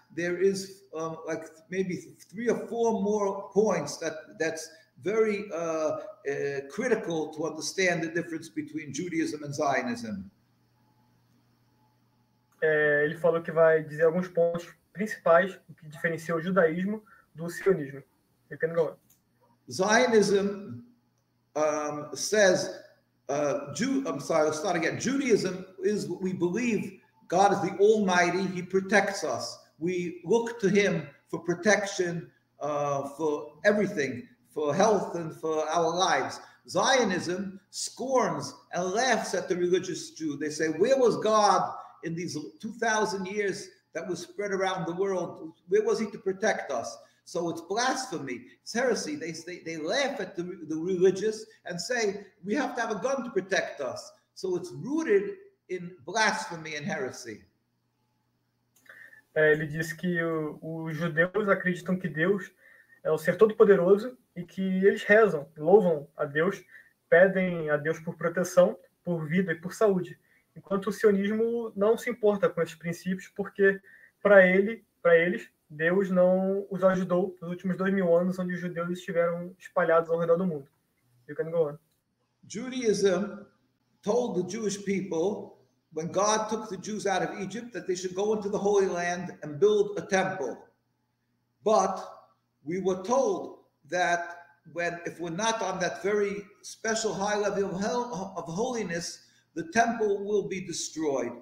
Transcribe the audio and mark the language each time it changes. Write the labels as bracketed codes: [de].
[en] There is like maybe three or four more points that's very critical to understand the difference between Judaism and Zionism. [pt] Ele falou que vai dizer alguns pontos principais que diferenciam o judaísmo do sionismo. [en] You can go on. Zionism says, Judaism is what we believe. God is the Almighty. He protects us. We look to him for protection, for everything, for health and for our lives. Zionism scorns and laughs at the religious Jew. They say, where was God in these 2,000 years that was spread around the world. Where was he to protect us? So it's blasphemy, it's heresy. They laugh at the religious and say, we have to have a gun to protect us. So it's rooted in blasphemy and heresy. [pt] Ele diz que os judeus acreditam que Deus é o ser todo-poderoso e que eles rezam, louvam a Deus, pedem a Deus por proteção, por vida e por saúde. Enquanto o sionismo não se importa com esses princípios, porque para eles, Deus não os ajudou nos últimos 2000 anos onde os judeus estiveram espalhados ao redor do mundo. [en] You can go on. Judaism told the Jewish people, when God took the Jews out of Egypt, that they should go into the Holy Land and build a temple. But we were told that if we're not on that very special high level of holiness, the temple will be destroyed.